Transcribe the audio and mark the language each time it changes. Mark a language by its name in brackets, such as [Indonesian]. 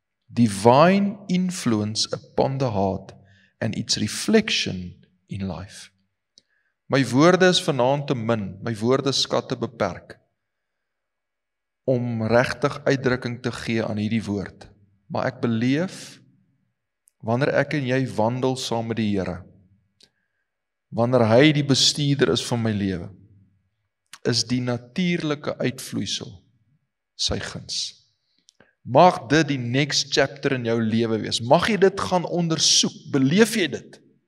[English] Divine influence upon the heart and its reflection in life. [Afrikaans] My woorde is vanaand te min, my woorde skatte beperk, om regtig uitdrukking te gee aan hierdie woord. Maar ek beleef, wanneer ek en jy wandel saam met die Here, wanneer hy die bestuurder is van my lewe, is die natuurlike uitvloeisel sy guns. Mag dit die [English] next chapter [Afrikaans] in jou lewe wees. Mag jy dit gaan ondersoek. Beleef jy dit?